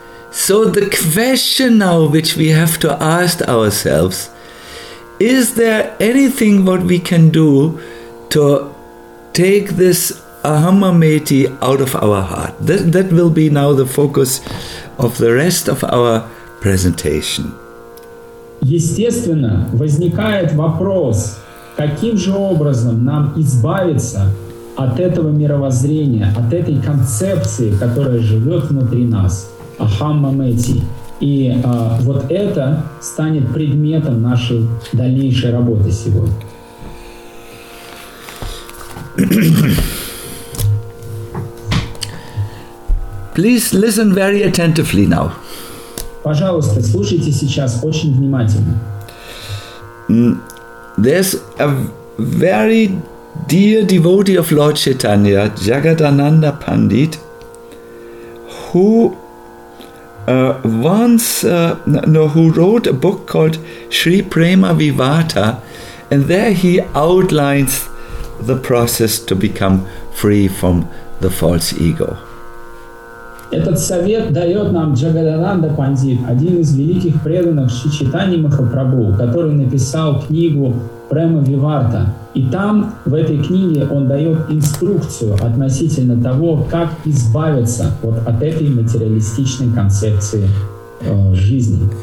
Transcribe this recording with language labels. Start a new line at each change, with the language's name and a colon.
English: So the question now which we have to ask ourselves, is there anything what we can do to take this Ahammamiti out of our heart? That will be now the focus of the rest of our presentation.
Russian: Естественно, возникает вопрос, каким же образом нам избавиться от этого мировоззрения, от этой концепции, которая живет внутри нас. Ахаммамити. И вот это станет предметом нашей дальнейшей работы сегодня.
English: Please listen very attentively now.
Russian: Пожалуйста, слушайте сейчас очень внимательно.
English: There's a very dear devotee of Lord Chaitanya, Jagadananda Pandit, who who wrote a book called Sri Prema Vivata, and there he outlines the process to become free from the false ego.
Russian: Этот совет дает нам Джагадананда Пандит, один из великих преданных Шри Чайтаньи Махапрабху, который написал книгу Према Виварта. И там, в этой книге, он дает инструкцию относительно того, как избавиться вот от этой материалистичной концепции жизни.